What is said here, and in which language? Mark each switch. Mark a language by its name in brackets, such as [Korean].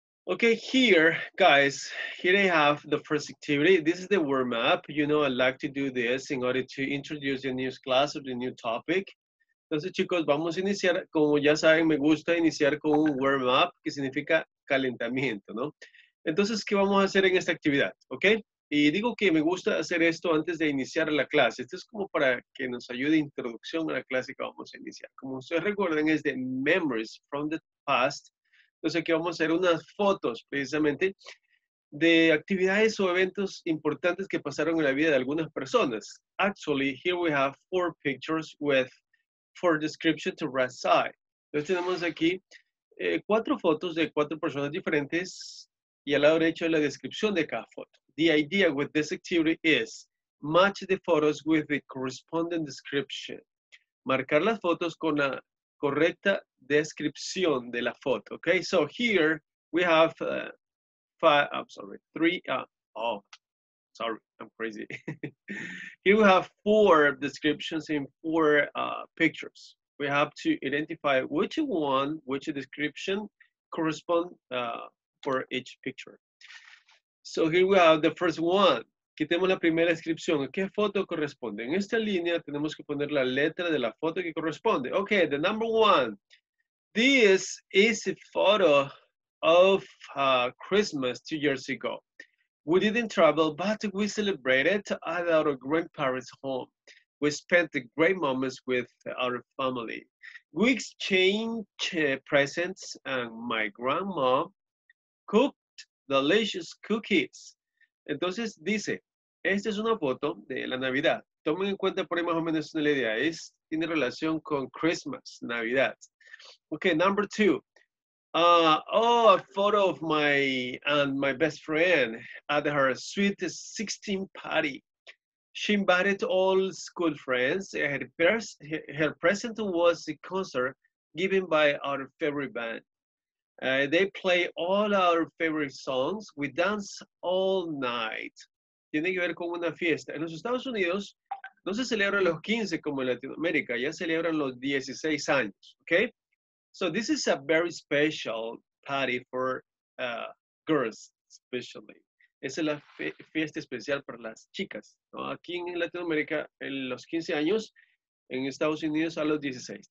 [English] Okay, here, guys, here I have the first activity. This is the warm-up. You know, I like to do this in order to introduce the new class or the new topic. [Spanish] Entonces, chicos, vamos a iniciar. Como ya saben, me gusta iniciar con un warm-up, que significa calentamiento, ¿no? Entonces, ¿qué vamos a hacer en esta actividad? Okay? Y digo que me gusta hacer esto antes de iniciar la clase. Esto es como para que nos ayude introducción a la clase que vamos a iniciar. Como ustedes recuerden, es de Memories from the Past. Entonces aquí vamos a hacer unas fotos precisamente de actividades o eventos importantes que pasaron en la vida de algunas personas. [English] Actually, here we have four pictures with four descriptions to right side. [Spanish] Entonces tenemos aquí cuatro fotos de cuatro personas diferentes y al lado derecho la descripción de cada foto. [English] The idea with this activity is match the photos with the corresponding description. [Spanish] Marcar las fotos con la correcta descripción de la foto. [English] Okay, so here we have four descriptions in four pictures. We have to identify which one, which description correspond for each picture. So here we have the first one. [Spanish] Quitemos la primera descripción. ¿Qué foto corresponde? En esta línea tenemos que poner la letra de la foto que corresponde. [English] Okay, the number one. This is a photo of Christmas 2 years ago. We didn't travel, but we celebrated at our grandparents' home. We spent the great moments with our family. We exchanged presents, and my grandma cooked delicious cookies. [Spanish] Entonces dice, esta es una foto de la Navidad. Tomen en cuenta por ahí más o menos una idea. Es, tiene relación con Christmas, Navidad. [English] Okay, number two. [Spanish] A photo of my and my best friend at her sweet 16 party. She invited all school friends. Her present was a concert given by our favorite band. They play all our favorite songs. We dance all night. Tiene que ver con una fiesta. En los Estados Unidos no se celebran los 15 como en Latinoamérica, ya celebran los 16 años, okay? [English] So this is a very special party for girls, especially. [Spanish] Esa es la fiesta especial para las chicas, ¿no? Aquí en Latinoamérica, en los 15 años, en Estados Unidos a los 16.